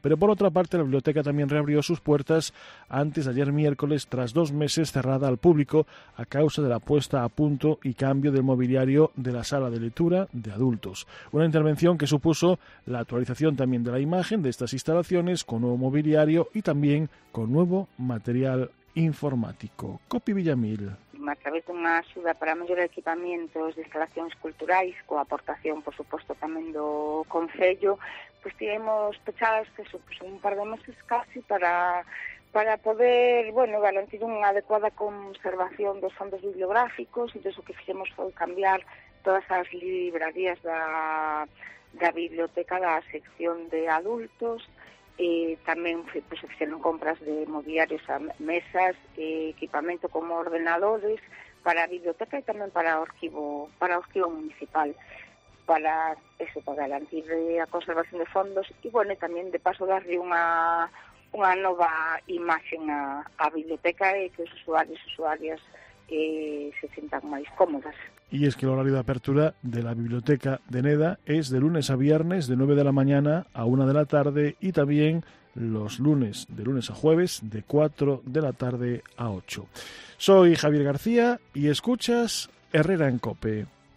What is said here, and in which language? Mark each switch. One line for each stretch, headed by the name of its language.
Spanish: Pero por otra parte, la biblioteca también reabrió sus puertas antes de ayer miércoles, tras 2 meses cerrada al público a causa de la puesta a punto y cambio del mobiliario de la sala de lectura de adultos. Una intervención que supuso la actualización también de la imagen de estas instalaciones con nuevo mobiliario y también con nuevo material informático. Copi Villamil.
Galician: A través de una axuda para mellor equipamentos de instalacións culturais, coa aportación, por suposto, tamén do Concello, pues tivemos pechadas que supuso un par de meses casi para poder, bueno, garantir unha adecuada conservación dos fondos bibliográficos, e entón o que fixemos foi cambiar todas as librarías da biblioteca, da sección de adultos, e tamén pues, fixeron compras de mobiliarios, mesas, equipamento como ordenadores para a biblioteca e tamén para o arquivo municipal, para eso, para garantir a conservación de fondos e, bueno, e tamén de paso darle unha nova imaxe á biblioteca e que os usuarios e usuarias se sientan máis cómodas.
Spanish: Y es que el horario de apertura de la Biblioteca de Neda es de lunes a viernes de 9 de la mañana a 1 de la tarde y también los lunes, de lunes a jueves, de 4 de la tarde a 8. Soy Javier García y escuchas Herrera en COPE.